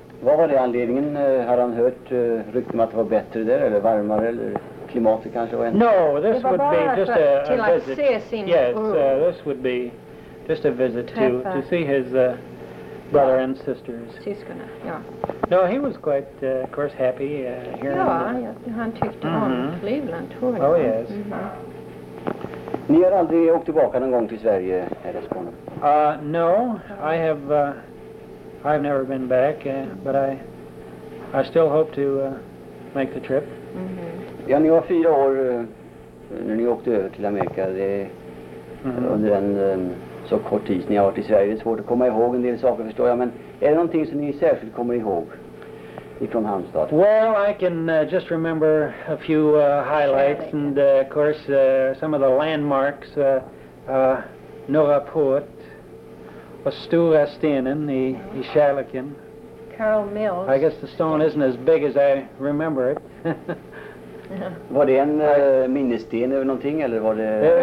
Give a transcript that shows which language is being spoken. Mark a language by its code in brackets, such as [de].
[sv] Vad var det anledningen? Har han hört rykten om att det var bättre där eller varmare eller klimatet kanske var ändå? [en] No, this would be just a visit. Yes, this would be. Just a visit to see his brother and sisters. [sv] Syskona, yeah. [en] No, he was quite, of course, happy here. [sv] Yeah, han tyckte om Cleveland, tror [en] jag. Oh, yes. Mm-hmm. [sv] Ni har aldrig åkt tillbaka någon gång till Sverige, här i Skåne? [en] No, I have I've never been back, but I still hope to make the trip. Mm-hmm. [sv] Ja, ni var 4 år när ni åkte över till Amerika. Det, mm-hmm. under den... så kort tid ni har varit i Sverige, det är svårt att komma ihåg en del saker, förstår jag, men är det någonting som ni särskilt kommer ihåg ifrån Halmstad? [en] Well, I can just remember a few highlights and of course some of the landmarks. [sv] Norra Port och Stora Stenen i Kärleken. [en] Carl Mills. I guess the stone isn't as big as I remember it. [sv] Var det en minnessten eller någonting, eller var det...